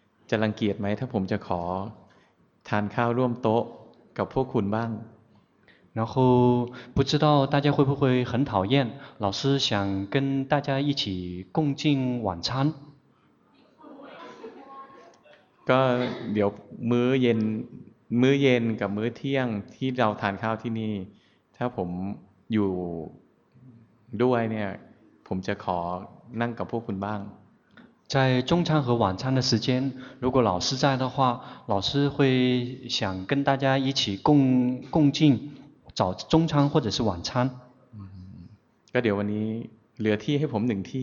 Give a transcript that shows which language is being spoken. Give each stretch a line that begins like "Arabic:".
Thai: จะรังเกียจไหมถ้าผมจะขอทานข้าวร่วมโต๊ะกับพวกคุณบ้าง
Chinese: 然后不知道大家会不会很讨厌老师想跟大家一起共进晚餐
Thai: ก็เดี๋ยวมื้อเย็นกับมื้อเที่ยงที่เราทานข้าวที่นี่ถ้าผมอยู่ด้วยเนี่ยผมจะขอนั่งกับพวกคุณบ้าง
Chinese: 在中餐和晚餐的时间如果老师在的话老师会想跟大家一起共进早中餐或者是晚餐
Thai: ก็เดี๋ยววันนี้เหลือที่ให้ผมหนึ่งที